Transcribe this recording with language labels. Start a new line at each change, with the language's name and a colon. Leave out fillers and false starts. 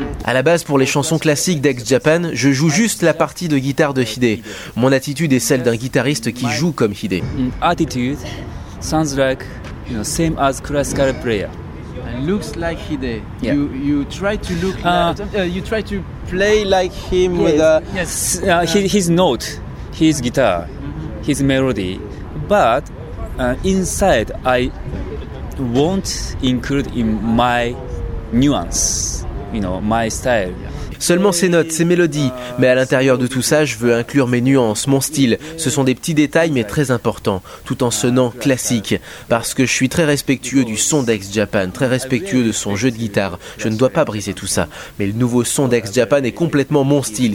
French: À la base, pour les chansons classiques d'X-Japan, je joue juste la partie de guitare de Hide. Mon attitude est celle d'un guitariste qui joue comme Hide.
English: Attitude sounds like, you know, same as classical player. And looks like Hide. Yeah. You try to look like, you try to play like him. Yes. With his note, his guitar, his melody, but inside I won't include in my nuance, you know, my style.
French: Seulement ces notes, ces mélodies. Mais à l'intérieur de tout ça, je veux inclure mes nuances, mon style. Ce sont des petits détails, mais très importants, tout en sonnant classique. Parce que je suis très respectueux du son d'ex-Japan, très respectueux de son jeu de guitare. Je ne dois pas briser tout ça. Mais le nouveau son d'ex-Japan est complètement mon style.